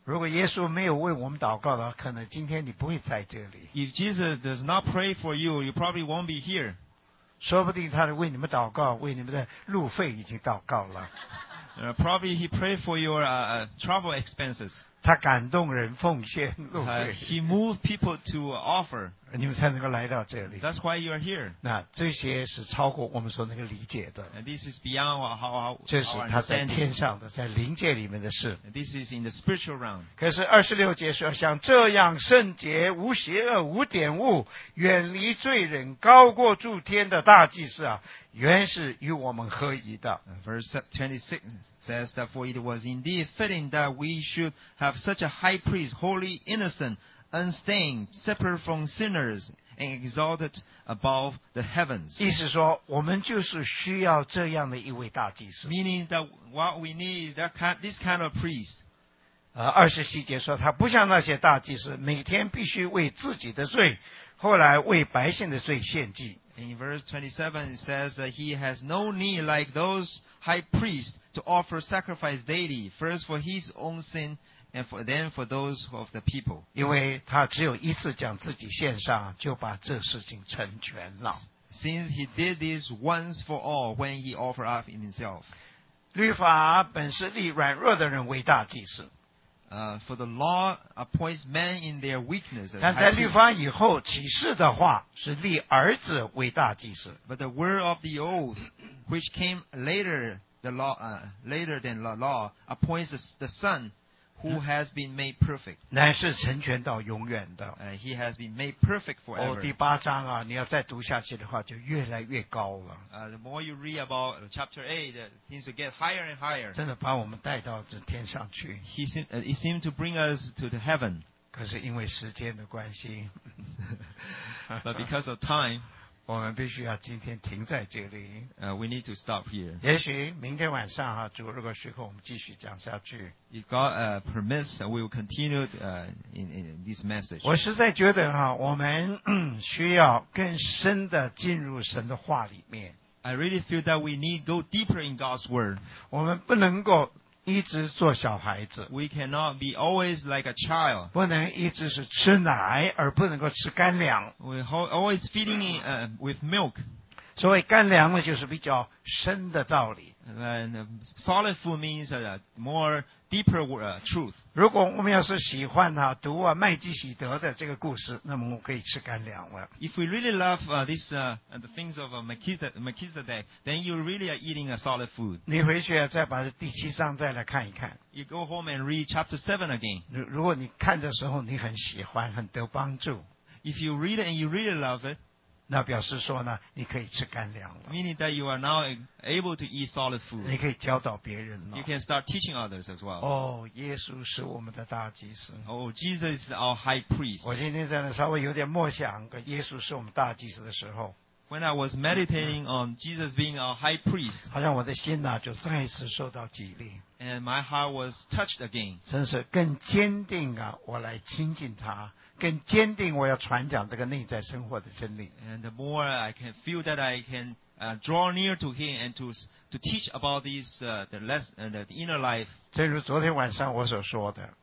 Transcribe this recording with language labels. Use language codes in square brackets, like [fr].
[zh] 如果耶稣没有为我们祷告的话，可能今天你不会在这里。 [en] If Jesus does not pray for you, you probably won't be here. [zh] 说不定他为你们祷告，为你们的路费已经祷告了。 [en] Probably he prayed for your travel expenses. [zh] 他感动人奉献路费。 [en] He moved people to offer. [zh] 你们才能够来到这里。 [en] That's why you are here. [zh] 那这些是超过我们说那个理解的。 [en] And this is beyond how [zh] 这是他在天上的，在灵界里面的事。 [en] And this is in the spiritual realm. [zh] 可是二十六节说，像这样圣洁、无邪恶、无玷污、远离罪人、高过诸天的大祭司啊，原是与我们合一的。 [en] Verse 26 says that for it was indeed fitting that we should have such a high priest, holy, innocent, unstained, separate from sinners, and exalted above the heavens. [zh] 意思说，我们就是需要这样的一位大祭司。 [en] Meaning that what we need is that kind, this kind of priest. [zh] 二十七节说，他不像那些大祭司，每天必须为自己的罪，后来为百姓的罪献祭。 [en] In verse 27, it says that he has no need like those high priests to offer sacrifice daily, first for his own sin, and for, then for those of the people. [zh] 因为他只有一次将自己献上，就把这事情成全了。 [en] Since he did this once for all when he offered up himself. [zh] 律法本是立软弱的人为大祭司。 [en] For the law appoints men in their weakness. [zh] 但在律法以后，启示的话是立儿子为大祭司。 [en] But the word of the oath, which came later, the law, later than the law, appoints the son who has been made perfect. [zh] 乃是成全到永远的。 [en] He has been made perfect forever. [zh] 第八章啊，你要再读下去的话，就越来越高了。 [en] The more you read about chapter 8, things get higher and higher. [zh] 真的把我们带到这天上去。 [en] He seemed to bring us to the heaven. [zh] 可是因为时间的关系。 [en] But because of time, [zh] 我们必须要今天停在这里。 [en] We need to stop here. [zh] 也许明天晚上哈，主如果许可，我们继续讲下去。 [en] If God permits, we will continue in this message. [zh] 我实在觉得哈，我们需要更深的进入神的话里面。 [en] I really feel that we need to go deeper in God's word. [zh] 我们不能够一直做小孩子。 [en] We cannot be always like a child. [zh] 不能一直是吃奶而不能够吃干粮。 [en] We're always feeding in, with milk. [zh] 所谓干粮呢，就是比较深的道理。 [en] And solid food means a more deeper truth. [zh] 如果我们要是喜欢啊读啊麦基洗德的这个故事，那么我可以吃干粮了。 [en] If we really love this the things of Melchizedek, then you really are eating a solid food. [zh] 你回去再把第七章再来看一看。 [en] You go home and read chapter 7 again. [zh] 如果你看的时候你很喜欢，很得帮助。 [en] If you read it and you really love it. [zh] 那表示说呢，你可以吃干粮了。 [en] Meaning that you are now able to eat solid food. [zh] 你可以教导别人了。 [en] You can start teaching others as well. [zh] 哦，耶稣是我们的大祭司。 [en] Oh, Jesus is our high priest. [zh] 我今天在那稍微有点默想，耶稣是我们大祭司的时候。 [en] When I was meditating on Jesus being our high priest, [zh] 好像我的心呢就再一次受到激励。 [en] And my heart was touched again. [zh] 真是更坚定啊，我来亲近他。更坚定我要传讲这个内在生活的真理。 [en] And the more I can feel that I can draw near to him and to teach about this, the inner life. [zh] 正如昨天晚上我所说的。